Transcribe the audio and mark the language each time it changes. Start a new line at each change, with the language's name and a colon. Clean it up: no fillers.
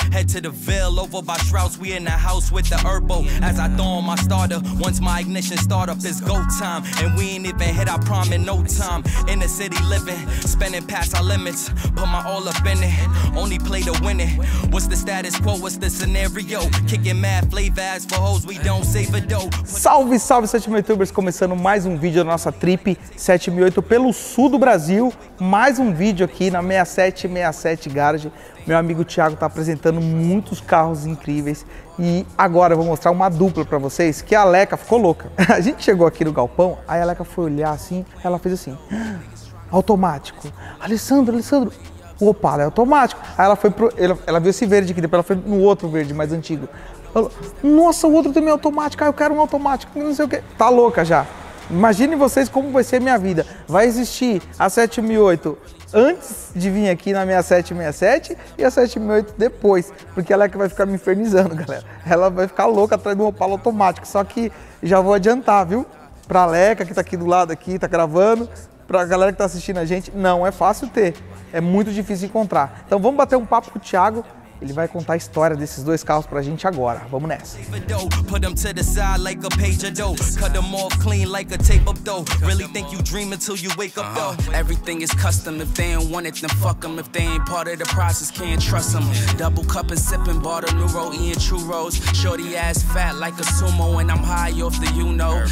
English: Head to the veil over by Shrouds. We in the house with the herbo as I throw on my starter. Once my ignition start up, it's go time. And we ain't even hit our prime in no time. In the city living, spending past our limit. Put my all up in it, only play to win it. What's the status quo, what's the scenario? Kicking mad flavor as for hoes, we don't save a dough.
Portuguese: Salve, salve, 7000 youtubers, começando mais um vídeo da nossa trip 7008 pelo sul do Brasil. Mais um vídeo aqui na 6767 Garage. Meu amigo Thiago tá apresentando muitos carros incríveis. E agora eu vou mostrar uma dupla pra vocês, que a Leca ficou louca. A gente chegou aqui no galpão, aí a Leca foi olhar assim, ela fez assim... automático. Alessandro, Alessandro, o Opala é automático. Aí ela foi pro... Ela viu esse verde aqui, depois ela foi no outro verde, mais antigo. Ela, nossa, o outro também é automático, aí eu quero um automático, não sei o quê. Tá louca já. Imagine vocês como vai ser minha vida. Vai existir a 7008 antes de vir aqui na 6767 e a 7008 depois, porque ela é que vai ficar me infernizando, galera. Ela vai ficar louca atrás do Opala automático, só que já vou adiantar, viu? Pra Leca, que tá aqui do lado aqui, tá gravando. Pra galera que tá assistindo a gente, não é fácil ter. É muito difícil encontrar. Então vamos bater um papo com o Thiago. Ele vai contar a história desses dois carros pra gente agora. Vamos nessa.
English: Put them to the side like a page of dough. Cut them all clean like a tape of dough. Really think you dream until you wake up though. Everything is custom. If they don't want it, then fuck them. If they ain't part of the process, can't trust them. Double cup and sipping, bought a new roll, Ian True Rose. Shorty ass fat like a sumo, and I'm high off the you know.